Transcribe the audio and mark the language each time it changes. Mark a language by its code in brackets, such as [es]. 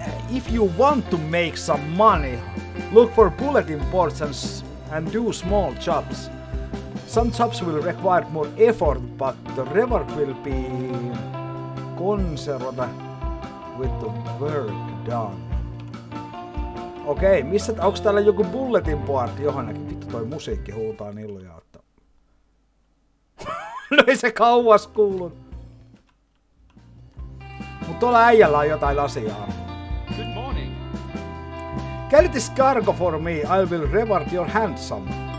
[en] If you want to make some money, look for bullet imports and do small jobs. Some jobs will require more effort, but the reward will be conserved with the work done. [fi] Okei, okay, missä, onks täällä joku bullet import johonkin? Vittu, toi musiikki huutaa niluja, että... No ei se kauas kuulu. Mut tuolla äijällä on jotain asiaa. [en] Good morning. Get this cargo for me, I will reward your handsome.